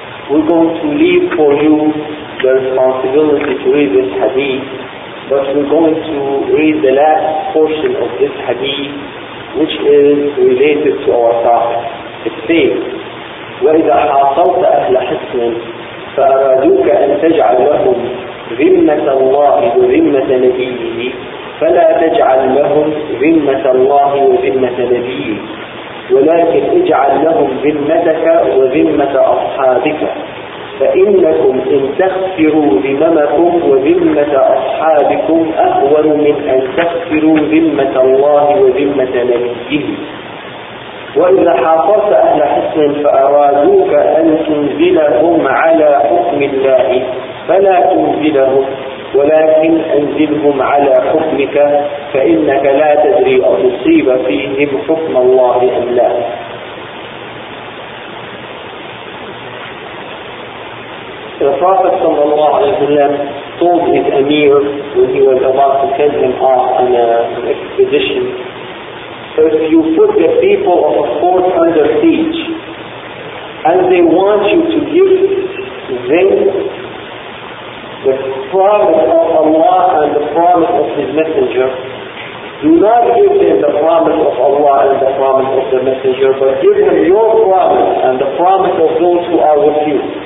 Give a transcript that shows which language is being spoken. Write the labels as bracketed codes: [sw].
[en] We're going to leave for you the responsibility to read this hadith, but we're going to read the last portion of this hadith, which is related to our topic. It says, [ar] وَإِذَا حَاصَرْتَ أَهْلَ حِصْنٍ فَأَرَادُوكَ أَن تَجْعَلْ لَهُمْ ذِمَّةَ اللَّهِ وَذِمَّةَ نَبِيِّهِ فَلَا تَجْعَلْ لَهُمْ ذِمَّةَ اللَّهِ وَذِمَّةَ نَبِيِّهِ ولكن اجعل لهم ذمتك وذمة أصحابك فإنكم إن تغفروا ذممكم وذمة أصحابكم أهون من أن تغفروا ذمة الله وذمة نبيه وإذا حاصرت أهل حصن فأرادوك أن تنزلهم على حكم الله فلا تنزلهم ولكن أنزلهم على حكمك فإنك لا تدري أصيب فيهم حكم الله أم لا. [en] The Prophet صلى الله عليه وسلم told his Amir when he was about to send him off on an expedition, if you put the people of a fort under siege and they want you to give them the promise of Allah and the promise of His Messenger, do not give them the promise of Allah and the promise of the Messenger, but give them your promise and the promise of those who are with you.